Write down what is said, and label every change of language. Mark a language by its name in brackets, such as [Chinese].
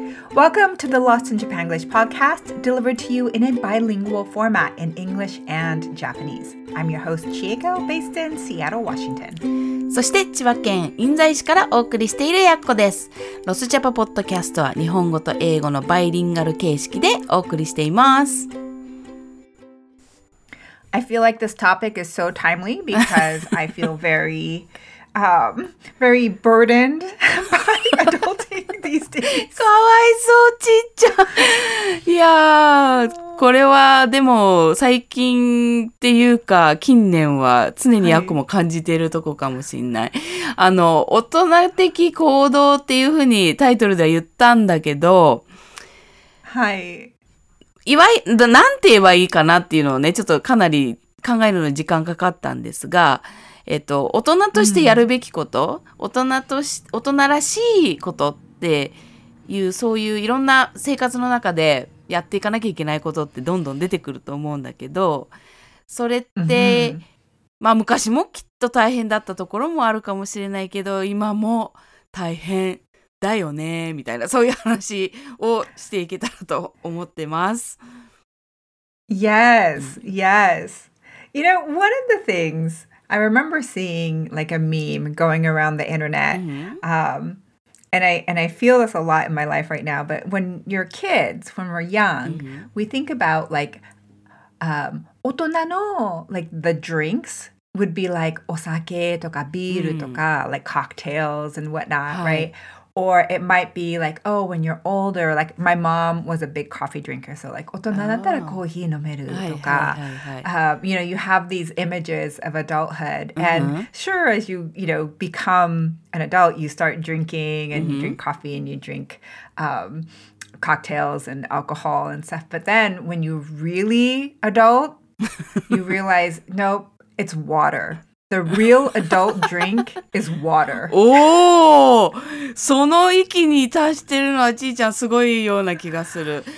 [English] Welcome to the Lost in Japan English podcast, delivered to you in a bilingual format in English and Japanese. I'm your host, Chieko, based in Seattle, Washington. [Japanese] そして千葉県印西市からお送りしているやっこです。ロスジャパポッドキャストは日本語と英語のバイリンガル形式でお送りしています。 [English] I feel like this topic is so timely because I feel very, very burdened by adulting these days. [Japanese] かわいそう、ちっちゃ。いやー、これはでも最近っていうか近年は常にあくも感じているとこかもしんない。あの、大人的行動っていうふうにタイトルでは言ったんだけど、はい。なんて言えばいいかなっていうのをね、ちょっとかなり考えるのに時間かかったんですが、大人としてやるべきこと、うん、大人らしいことっていう、そういういろんな生活の中でやっていかなきゃいけないことってどんどん出てくると思うんだけど、それって、うん、まあ昔もきっと大変だったところもあるかもしれないけど、今も大変。だよねみたいな、そういう話をしていけたらと思ってます。 [English] Yes, yes. You know, one of the things I remember seeing like a meme going around the internet, and I feel this a lot in my life right now, but when you're kids, when we're young, we think about like, [Japanese] 大人の [English] like the drinks would be like [Japanese] お酒とかビールとか、 [English] like cocktails and whatnot, right? Or it might be like, oh, when you're older, like my mom was a big coffee drinker. So like, [Japanese] 大人だったらコーヒー飲めるとか、 [English] you know, you have these images of adulthood. And sure, as you, you know, become an adult, you start drinking and you drink coffee and you drink cocktails and alcohol and stuff. But then when you're really adult, you realize, nope, it's water. The real adult drink is water. [Japanese] おお、その域に達してるのはちーちゃんすごいような気がする。